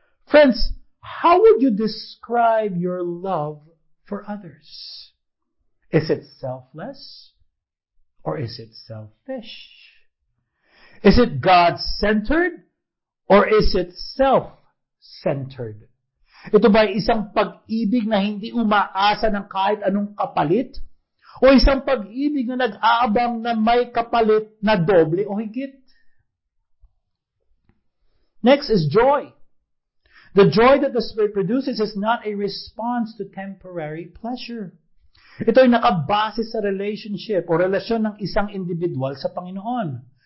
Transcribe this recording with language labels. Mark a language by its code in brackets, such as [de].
[en] Friends, how would you describe your love for others? Is it selfless or is it selfish? Is it God-centered or is it self-centered? [tl] Ito ba isang pag-ibig na hindi umaasa ng kahit anong kapalit? O isang pag-ibig na nag-aabang na may kapalit na doble o higit? [en] Next is joy. The joy that the Spirit produces is not a response to temporary pleasure. [tl] Ito ay nakabase sa relationship o relasyon ng isang individual sa Panginoon.